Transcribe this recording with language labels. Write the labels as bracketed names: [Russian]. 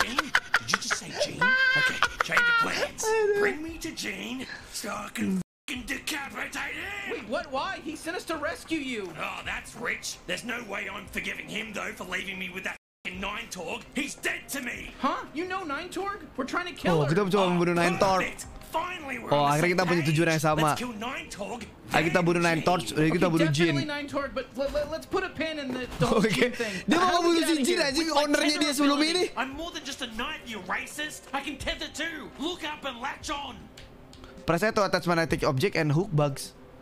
[English] Gene? Did you just say Gene? Okay, change of plans. Bring me to Gene so I can fucking decapitate him! Wait, what? Why? He sent us to rescue you! Oh, that's rich. There's no way I'm forgiving him, though, for leaving me with that fucking Nine Torg. He's dead to me! Huh? You know Nine Torg? We're trying to kill him! Oh, her. [Indonesian] Kita mencoba membunuh Nine Torg. [English] finally we're [Indonesian] oh, akhirnya kita punya tujuan yang sama. Akhirnya kita bunuh Nine Torch, akhirnya kita bunuh Jin. [English] Let's put a pin in the Jin thing. [Indonesian] Dia mau bunuh si Jin aja, ownernya dia sebelum ini. [English] I'm more than just a knight, you racist. I can tether too. Look up and latch on. Press to attach magnetic object and hook bugs.